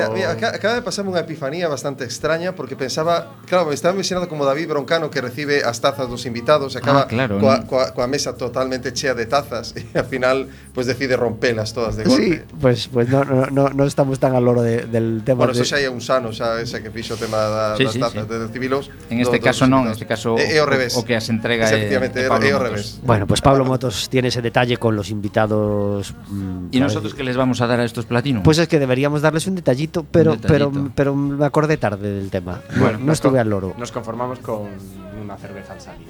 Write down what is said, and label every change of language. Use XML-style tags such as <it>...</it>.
<es>Mira, acaba de pasarme una epifanía bastante extraña porque pensaba... Claro, me estaba mencionando como David Broncano que recibe las tazas de los invitados. Acaba con la mesa totalmente chea de tazas y al final pues decide romperlas todas de golpe. Sí, pues no estamos tan al loro del tema.</es> <gl>Bueno, eso xa é un sano, xa, ese que fixo o tema das tazas de civilos. En este caso non, en este caso... É ao revés. O que as entrega é ao revés.</gl> <es>Bueno, pues Pablo Motos tiene ese detalle con los invitados. ¿Y nosotros qué les vamos a dar a estos platinos? Pues es que deberíamos darles un detallito, pero me acordé tarde del tema. Bueno, no estuve al loro. Nos conformamos con una cerveza al salir.</es>